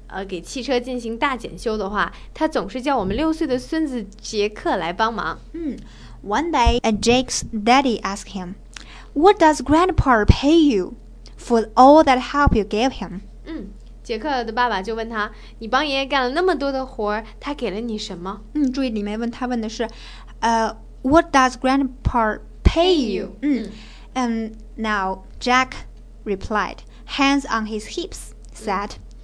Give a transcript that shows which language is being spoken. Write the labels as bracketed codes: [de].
[zh] 给汽车进行大检修的话，他总是叫我们6岁的孙子杰克来帮忙。 [en] One day, Jake's daddy asked him, "What does Grandpa pay you for all that help you gave him?" [zh] 杰克的爸爸就问他，你帮爷爷干了那么多的活，他给了你什么？注意里面问他问的是， [en] What does Grandpa pay you? Now Jack replied, hands on his hips, said.